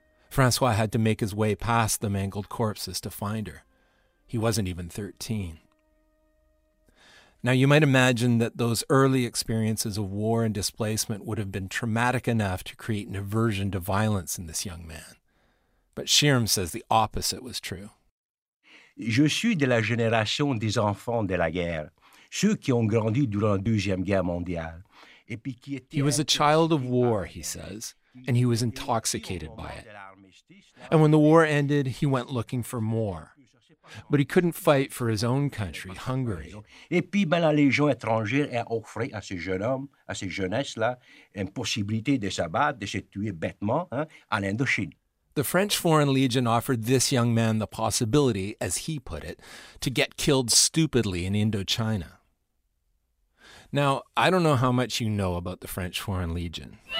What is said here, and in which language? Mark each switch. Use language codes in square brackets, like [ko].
[en] François had to make his way past the mangled corpses to find her. He wasn't even 13. Now, you might imagine that those early experiences of war and displacement would have been traumatic enough to create an aversion to violence in this young man. But Scherm says the opposite was true. [fr] Je suis de la génération des enfants de la guerre, ceux qui ont grandi durant la Deuxième Guerre mondiale. [en] He was a child of war, he says. and he was intoxicated by it. And when the war ended, he went looking for more. But he couldn't fight for his own country, Hungary. [fr] Et puis, la Légion étrangère a offert à ce jeune homme, à ces jeunesses-là, une possibilité de s'abattre, de se tuer bêtement, en Indochine. [en] The French Foreign Legion offered this young man the possibility, as he put it, to get killed stupidly in Indochina. Now, I don't know how much you know about the French Foreign Legion.